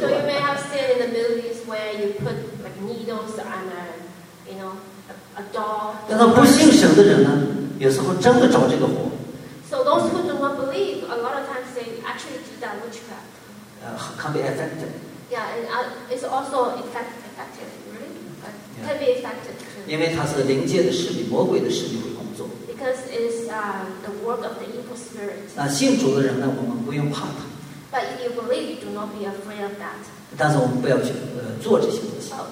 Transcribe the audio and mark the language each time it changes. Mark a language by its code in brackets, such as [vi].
[en] So you may have seen in the movies where you put like needles on a a doll. [zh] 但他不信神的人呢，有时候真的着这个火。 [en] So those who do not believe, a lot of times they actually do that witchcraft. Can be effective. Yeah, it's also effective, really, can be effective. [zh] 因为他是灵界的势力，魔鬼的势力会工作。 [en] Because it's the work of the evil spirit. [zh] 那信主的人呢，我们不用怕他。 [en] But if you believe, do not be afraid of that. [zh] 但是我们不要去做这些东西。